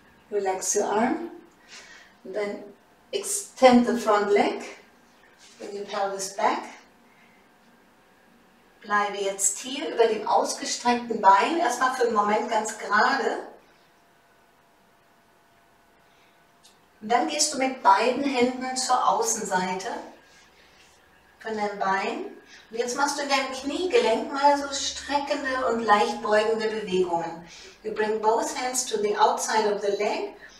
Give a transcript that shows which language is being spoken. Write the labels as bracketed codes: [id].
[en] Relax your arm, and then extend the front leg, bring your pelvis back. [de] Bleibe jetzt hier über dem ausgestreckten Bein, erstmal für einen Moment ganz gerade. Und dann gehst du mit beiden Händen zur Außenseite von deinem Bein. Und jetzt machst du in deinem Kniegelenk mal so streckende und leicht beugende Bewegungen. [en] You bring both hands to the outside of the leg.